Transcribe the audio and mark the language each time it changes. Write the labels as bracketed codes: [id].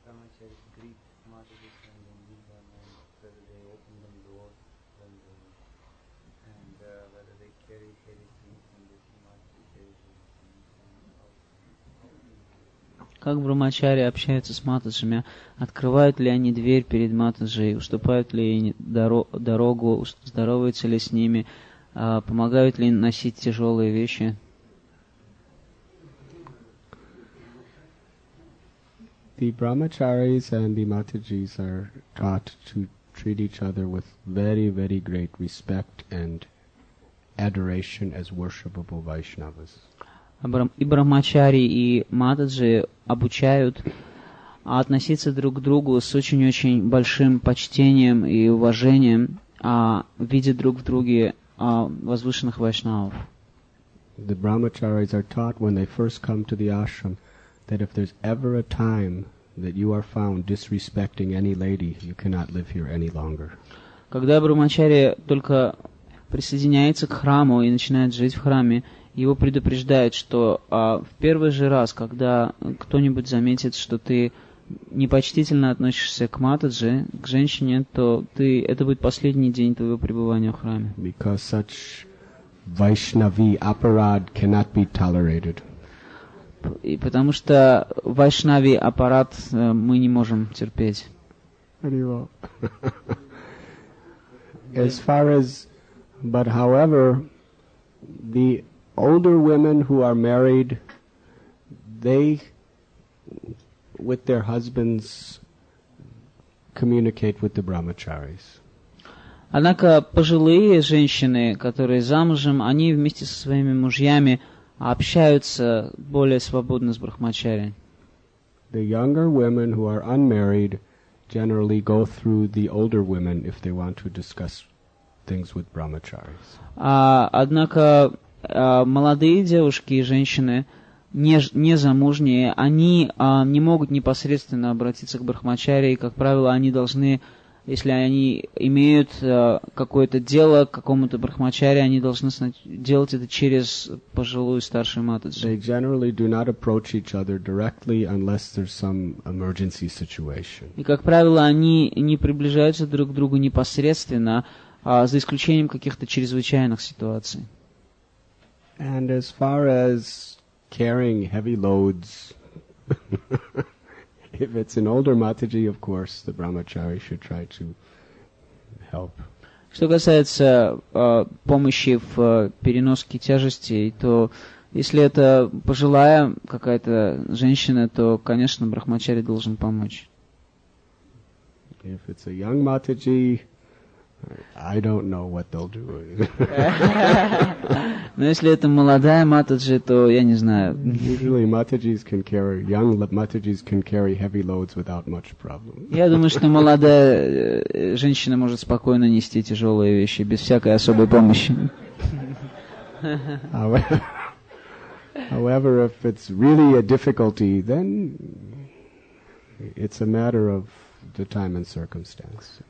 [en] Brahmacharis greet matajis and then meet them, and whether they open them doors, then they, and whether they carry heavy things, and they see matajis carry heavy things, and how. [ru] Как брахмачари общаются с матаджами? Открывают ли они дверь перед матаджей? Уступают ли они дорогу? Здороваются ли с ними? Помогают ли носить тяжелые вещи? [en] The brahmacharis and the matajis are taught to treat each other with very, very great respect and adoration as worshipable Vaishnavas. [ru] И брахмачари, и матаджи обучают относиться друг к другу с очень-очень большим почтением и уважением, видя друг в друге возвышенных вайшнавов. [en] The brahmacharis are taught when they first come to the ashram that if there's ever a time that you are found disrespecting any lady, you cannot live here any longer. [ru] Когда брахмачари только присоединяется к храму и начинает жить в храме, его предупреждают, что в первый же раз, когда кто-нибудь заметит, что ты непочтительно относишься к матаджи, к женщине, то ты, это будет последний день твоего пребывания в храме. [en] Because such Vaishnavi aparad cannot be tolerated. [ru] И потому что Vaishnavi aparad мы не можем терпеть. [en] As far as, but however, the older women who are married, they with their husbands communicate with the brahmacharis. [ru] Однако пожилые женщины, которые замужем, они вместе со своими мужьями общаются более свободно с брахмачари. [en] The younger women who are unmarried generally go through the older women if they want to discuss things with brahmacharis. [ru] Однако молодые девушки и женщины незамужние, они не могут непосредственно обратиться к брахмачари, и, как правило, они должны, если они имеют какое-то дело к какому-то брахмачари, они должны делать это через пожилую старшую матаджи. [en] They generally do not approach each other directly unless there's some emergency situation. [ru] И, как правило, они не приближаются друг к другу непосредственно, за исключением каких-то чрезвычайных ситуаций. [en] And as far as carrying heavy loads. If it's an older mataji, of course, the brahmachari should try to help. [ru] Что касается помощи в переноске тяжестей, то если это пожилая какая-то женщина, то, конечно, брахмачари должен помочь. [en] If it's a young mataji, I don't know what they'll do. [ru] Но если это молодая матаджи, то я не знаю. [en] Usually matajis can carry young matajis can carry heavy loads without much problem. [ru] Я думаю, что молодая женщина может спокойно нести тяжелые вещи без всякой особой помощи. [en] However, if it's really a difficulty, then it's a matter of the time and circumstance.